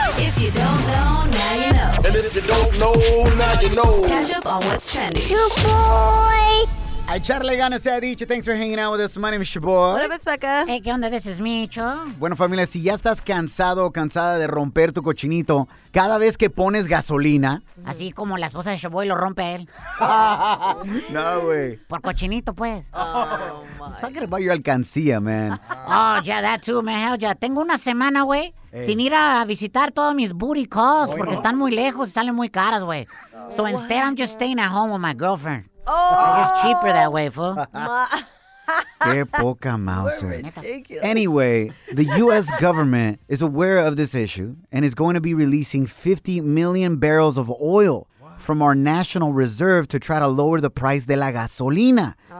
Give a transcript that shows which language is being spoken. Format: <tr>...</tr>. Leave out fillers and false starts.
<en>If you don't know, now you know. And if you don't know, now you know. Catch up on what's trending. Your boy.</en> <es>Echarle ganas, se ha dicho.</es> <en>Thanks for hanging out with us. My name is Shaboy. What up, it's Becca. Hey,</en> <es>¿qué onda?</es> <en>This is Micho.</en> <es>Bueno, familia, si ya estás cansado o cansada de romper tu cochinito cada vez que pones gasolina. Así como la esposa de Shaboy lo rompe él. No, güey. Por cochinito, pues.</es> <en>Oh, my. Talking about your alcancía, man. Oh, yeah, that too, man. Hell yeah.</en> <es>Tengo una semana, güey.</es> <en>Hey.</en> <es>Sin ir a visitar todos mis</es> <en>booty calls,</en> <es>porque están muy lejos y salen muy caras, güey.</es> <en>So instead, I'm just staying at home with my girlfriend. Oh. It's cheaper that way, fool.</en> <es>Qué poca mouser.</es> <en>Anyway, the U.S. government is aware of this issue and is going to be releasing 50 million barrels of oil from our national reserve to try to lower the price</en> <es>de la gasolina.</es>